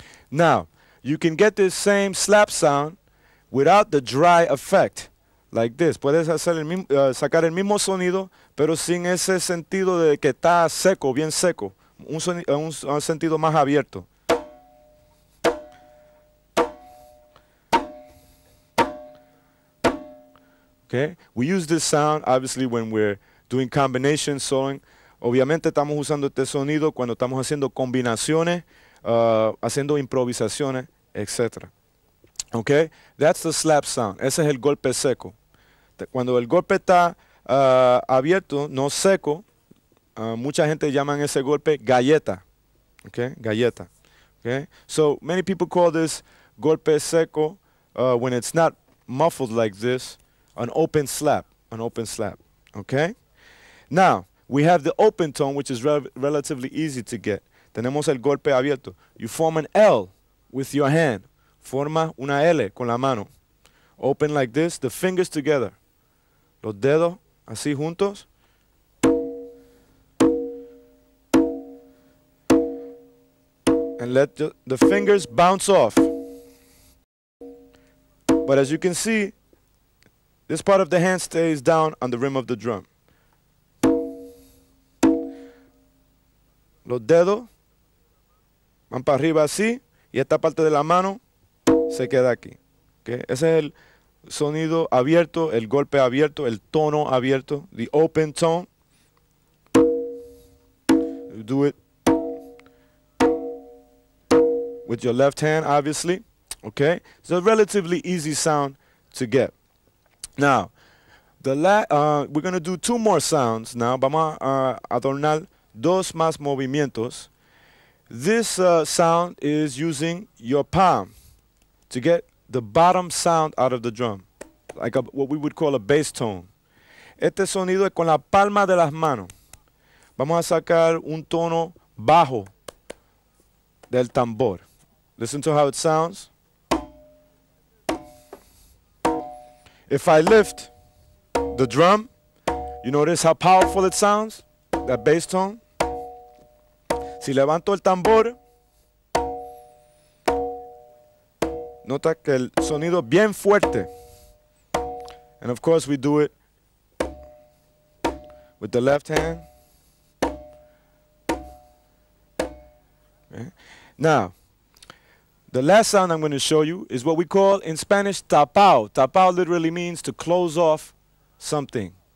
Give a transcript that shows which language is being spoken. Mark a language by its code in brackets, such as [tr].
[en] Now, you can get this same slap sound without the dry effect, like this. [es] Puedes hacer el mismo, sacar el mismo sonido, pero sin ese sentido de que está seco, bien seco. Un sentido más abierto. [en] Okay? We use this sound, obviously, when we're doing combination soloing. [es] Obviamente estamos usando este sonido cuando estamos haciendo combinaciones, haciendo improvisaciones, etc. Okay? That's the slap sound. Ese es el golpe seco. Cuando el golpe está abierto, no seco, mucha gente llama ese golpe galleta. [en] Okay? Galleta. Okay? So, many people call this golpe seco when it's not muffled like this, an open slap. An open slap. Okay? Now, we have the open tone, which is relatively easy to get. [es] Tenemos el golpe abierto. [en] You form an L with your hand. [es] Forma una L con la mano. [en] Open like this, the fingers together. [es] Los dedos así juntos. [en] And let the fingers bounce off. But as you can see, this part of the hand stays down on the rim of the drum. [es] Los dedos van para arriba así, y esta parte de la mano se queda aquí. Okay? Ese es el sonido abierto, el golpe abierto, el tono abierto, [en] the open tone. Do it with your left hand, obviously. Okay? It's a relatively easy sound to get. Now, we're going to do two more sounds now. [es] Vamos a adornar dos más movimientos. [en] This sound is using your palm to get the bottom sound out of the drum, like what we would call a bass tone. [es] Este sonido es con la palma de las manos. Vamos a sacar un tono bajo del tambor. [en] Listen to how it sounds. If I lift the drum, you notice how powerful it sounds, that bass tone. [es] Si levanto el tambor, nota que el sonido es bien fuerte. [en] And of course we do it with the left hand. Okay. Now, the last sound I'm going to show you is what we call in Spanish tapao. Tapao literally means to close off something.